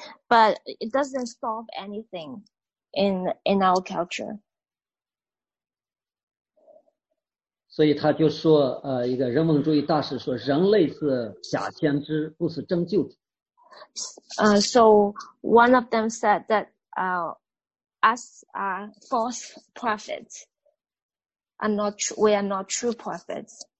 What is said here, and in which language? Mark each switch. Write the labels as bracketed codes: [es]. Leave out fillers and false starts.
[en] But it doesn't solve anything in our culture. [zh] 所以他就说，一个人文主义大师说，人类是假先知，不是真救主。 [en] So one of them said that, Us are false prophets. We are not true prophets.